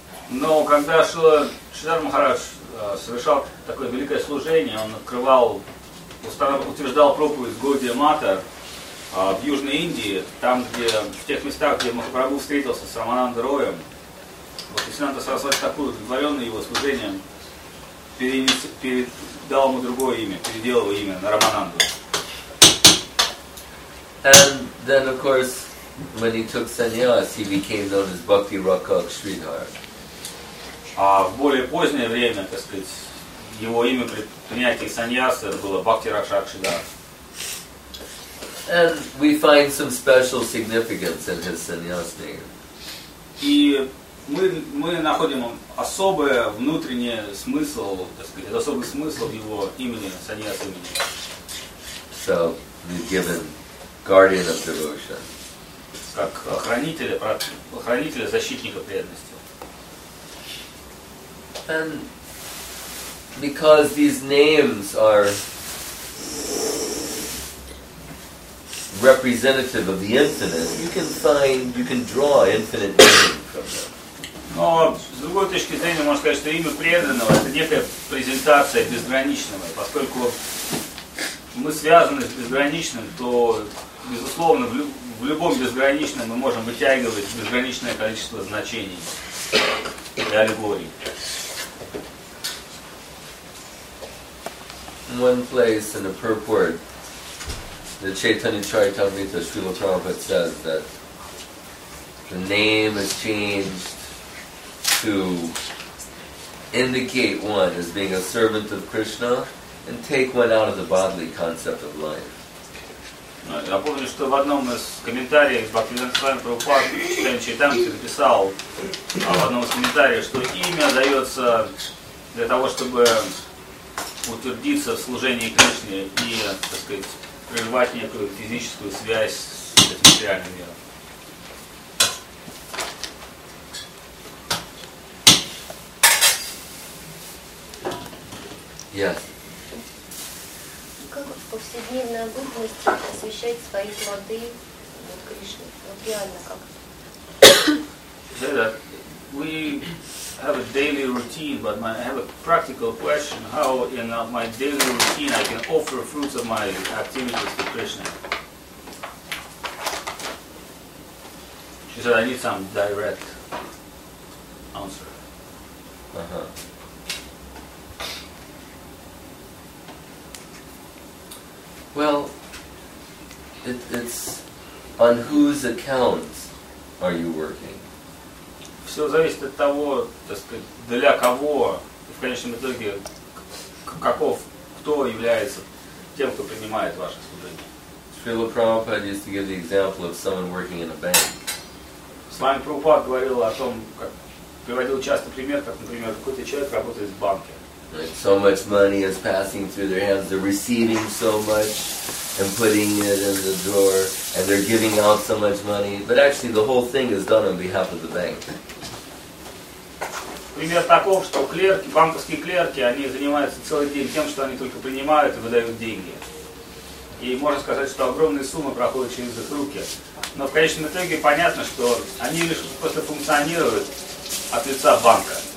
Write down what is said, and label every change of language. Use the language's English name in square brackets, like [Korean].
[Russian] Но когда Шридхар Махарадж совершал такое великое служение, он открывал, утверждал проповедь Гаудия Матха в Южной Индии, там, где, в тех местах, где Махапрабху встретился с Рамананда Роем, вот Сиддханта Сарасвати Такур, удовлетворенный его служением, передал ему другое имя, переделал его имя на Рамананду. [English] And then, of course, when he took sannyas, he became known as Bhakti Rakak Sridhar. [Russian] А в более позднее время, так сказать, его имя при принятии саньяса было Бхакти Ракшак Шридхар. [English] And we find some special significance in his sannyas name. [Russian] И мы находим особый внутренний смысл, так сказать, особый смысл его имени, саньяс имени. [English] So, he's given guardian of devotion. [Russian] Как охранителя, защитника преданности. [English] And because these names are representative of the infinite, you can draw infinite meaning from them. [Russian] Но с другой точки зрения можно сказать, что имя преданного это некая презентация безграничного. Поскольку мы связаны с безграничным, то безусловно в любом безграничном мы можем вытягивать безграничное количество значений и аллегорий. [English] In one place in a purport, the Chaitanya Charitamrita Srila Prabhupada says that the name is changed to indicate one as being a servant of Krishna and take one out of the bodily concept of life. [Russian] Я помню, что в одном из комментариев Бхактивинода Свами Прабхупада Чайтанья Чайтамрита написал в одном из комментариев, что имя дается для того, чтобы утвердиться в служении Кришне и, так сказать, прервать некую физическую связь с этим материальным миром. [English] Yes. [Russian] Как в повседневной обыденности освещать свои плоды Кришне? Вот [English] say that we have a daily routine, but I have a practical question. How in my daily routine I can offer fruits of my activities to Krishna? She said, I need some direct answer. Uh-huh. Well, it's on whose accounts are you working? [Russian] Все зависит от того, так сказать, для кого, в конечном итоге, каков, кто является тем, кто принимает ваше служение. [English] Srila Prabhupada used to give the example of someone working in a bank. [Russian] С вами Прабхупад говорил о том, как приводил часто пример, как, например, какой-то человек работает в банке. [English] Right. So much money is passing through their hands, they're receiving so much and putting it in the drawer, and they're giving out so much money, but actually the whole thing is done on behalf of the bank. [Russian] Пример таков, что клерки, банковские клерки, они занимаются целый день тем, что они только принимают и выдают деньги. И можно сказать, что огромные суммы проходят через их руки. Но в конечном итоге понятно, что они лишь просто функционируют от лица банка.